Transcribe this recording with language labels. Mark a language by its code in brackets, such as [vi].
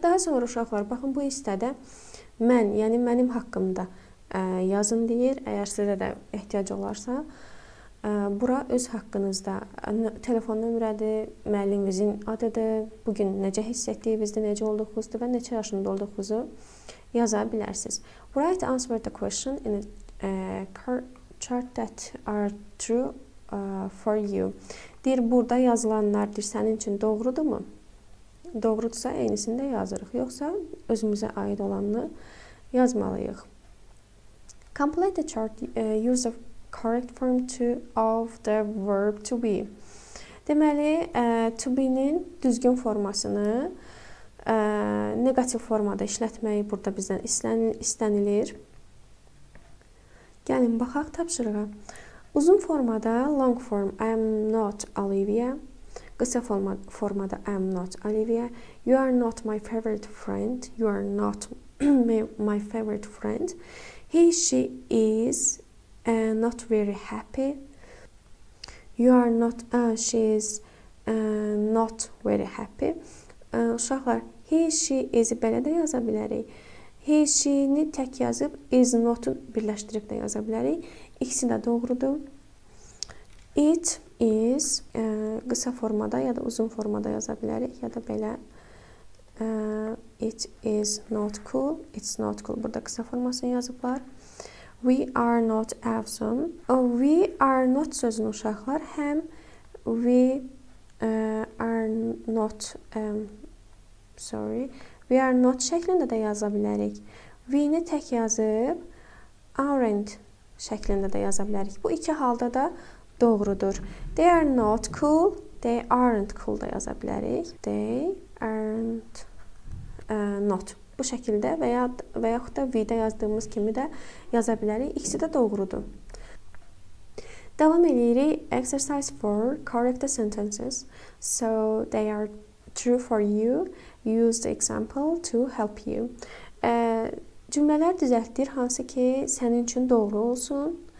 [az] Daha sonra uşaqlar, baxın, bu hissədə mən, yəni mənim haqqımda yazın deyir. Əgər sizə də ehtiyac olarsa, bura öz haqqınızda telefon nömrədir, müəllimimizin adıdır, bugün necə hiss etdiyimizdə, necə olduğumuzdur və neçə yaşında olduğumuzu yaza bilərsiniz. [en] Write answer the question in a chart that are true for you. [az] Deyir, burada yazılanlardır sənin üçün doğrudur mu? Doğrudursa, eynisini də yazırıq. Yoxsa, özümüzə aid olanını yazmalıyıq. [en] Complete the chart. Use the correct form to of the verb to be. [az] Deməli, to be-nin düzgün formasını negativ formada işlətməyi burada bizdən istənilir. Gəlin, baxaq tapşırığa. Uzun formada [en] long form I am not Olivia. [az] Qısa formada [en] I am not Olivia. You are not my favorite friend. You are not my favorite friend. He, she is not very happy. You are not, she is not very happy. [az] Uşaqlar, he, she is belə də yaza bilərik. He, she-ni tək yazıb, is not-u birləşdirib də yaza bilərik. İkisi də doğrudur. It is qısa formada ya da uzun formada yaza bilərik. [en] Ya da belə, it is not cool. It's not cool. [az] Burada qısa formasını yazıblar. [en] We are not awesome. We are not sözünü uşaqlar. [az] Həm we are not, sorry, we are not şəklində də yaza bilərik. We-ni tək yazıb, aren't şəklində də yaza bilərik. Bu iki halda da doğrudur. [en] They are not cool, they aren't cool [az] da yaza bilərik. [en] They aren't not. [az] Bu şəkildə və yaxud da V-də yazdığımız kimi də yaza bilərik. İkisi də doğrudur. Davam edirik. [en] Exercise 4. Correct the sentences. So, they are true for you. Use the example to help you. [az] Cümlələr düzəltdir, hansı ki sənin üçün doğru olsun.